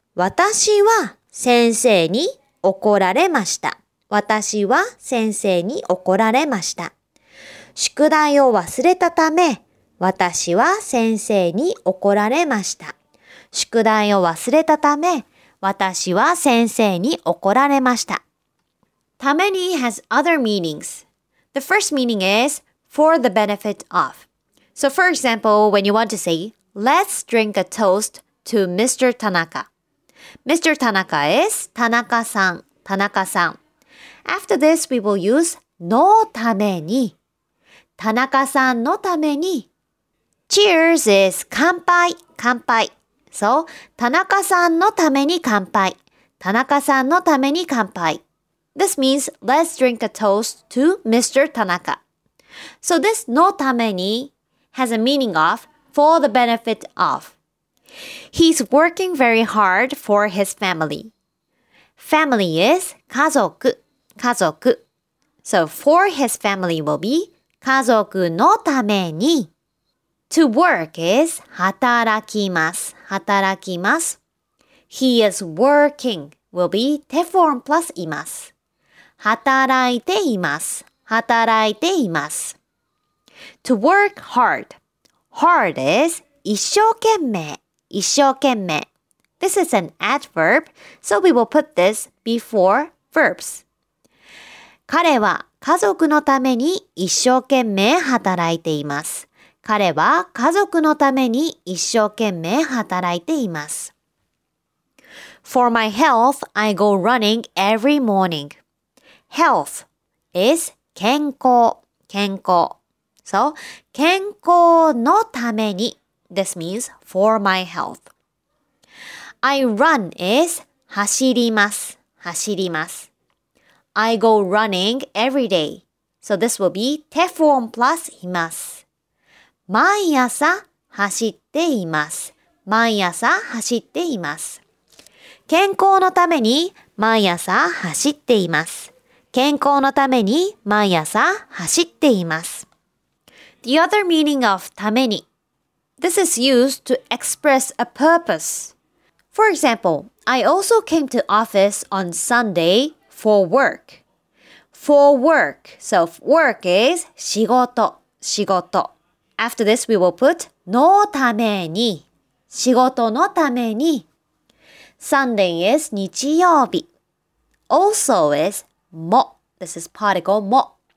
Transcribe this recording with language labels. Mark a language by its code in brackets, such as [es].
[ja] 私は先生に怒られました。私は先生に怒られました。宿題を忘れたため、私は先生に怒られました。宿題を忘れたため、私は先生に怒られました。 [en] ために has other meanings. The first meaning is for the benefit of. So, for example, when you want to say, let's drink a toast to Mr. Tanaka. Mr. Tanaka is Tanaka-san, Tanaka-san. After this, we will use [ja] のために. Tanaka-san のために. [en] Cheers is [ja] 乾杯, 乾杯. So, Tanaka-san のために乾杯. Tanaka-san のために乾杯. [en] This means, let's drink a toast to Mr. Tanaka. So, this のために has a meaning of for the benefit of. He's working very hard for his family. Family is [ja] 家族, 家族. [en] So for his family will be [ja] 家族のために. [en] To work is [ja] 働きます, 働きます. [en] He is working will be 手 form plus います. [ja] 働いています, 働いています. [en] To work hard. Hard is [ja] 一生懸命, 一生懸命. [en] This is an adverb, so we will put this before verbs. [ja] 彼は家族のために一生懸命働いています。彼は家族のために一生懸命働いています。 [en] For my health, I go running every morning. Health is [ja] 健康, 健康。 So, 健康のために. [en] This means for my health. I run is [ja] 走ります。走ります。 [en] I go running every day. So this will be 手 form plus います。 [ja] 毎朝走っています。毎朝走っています。健康のために毎朝走っています。健康のために毎朝走っています。 [en] The other meaning of ために. This is used to express a purpose. For example, I also came to office on Sunday for work. For work. So work is [ja] 仕事仕事 [en] After this, we will put [ja] のために仕事のために [en] Sunday is 日曜日 Also is も This is particle も